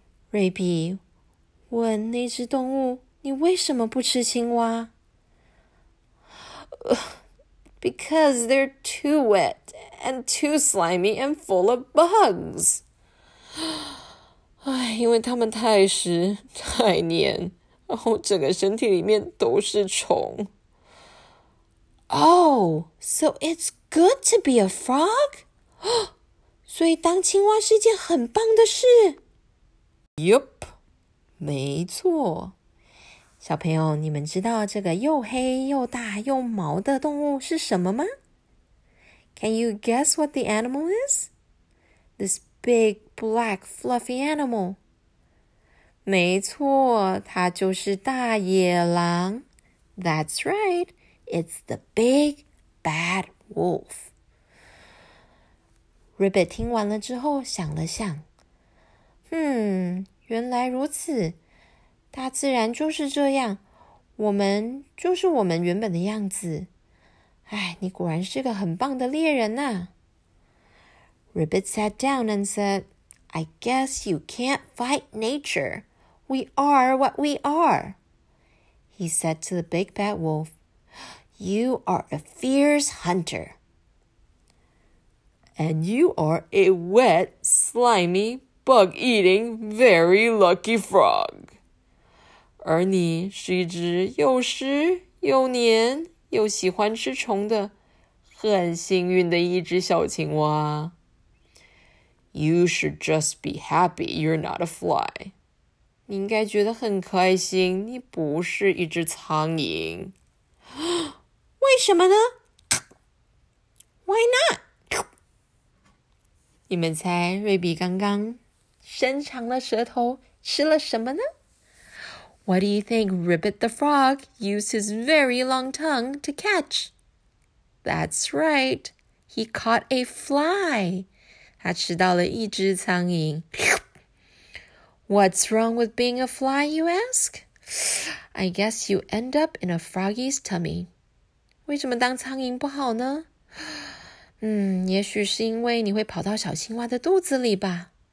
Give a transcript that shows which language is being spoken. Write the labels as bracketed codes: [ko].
[zh] 瑞比问那只动物，你为什么不吃青蛙？ [en] Because they're too wet and too slimy and full of bugs. [zh] 唉，因为它们太湿太黏，然后整个身体里面都是虫。 [en] Oh, so it's good to be a frog? [zh] 所以当青蛙是一件很棒的事。 Yup. 没错，小朋友，你们知道这个又黑又大又毛的动物是什么吗？ [en] Can you guess what the animal is? This big, black, fluffy animal. [zh] 没错，它就是大野狼。 [en] That's right, it's the big, bad wolf. [zh] Ribbit 听完了之后想了想，原来如此，大自然就是这样，我们就是我们原本的样子。哎，你果然是个很棒的猎人呐。 [en] Ribbit sat down and said, I guess you can't fight nature. We are what we are. He said to the big bad wolf, You are a fierce hunter. And you are a wet, slimy,bug-eating, very lucky frog. [zh] 而你是一只又湿又黏又喜欢吃虫的很幸运的一只小青蛙。 [en] You should just be happy you're not a fly. [zh] 你应该觉得很开心你不是一只苍蝇。为什么呢？ [en] Why not? [zh] 你们猜瑞比刚刚伸长了舌头吃了什么呢？ [en] What do you think Ribbit the frog used his very long tongue to catch? That's right. He caught a fly. [zh] 他吃到了一只苍蝇。 [en] What's wrong with being a fly, you ask? I guess you end up in a froggy's tummy. [zh] 为什么当苍蝇不好呢？也许是因为你会跑到小青蛙的肚子里吧。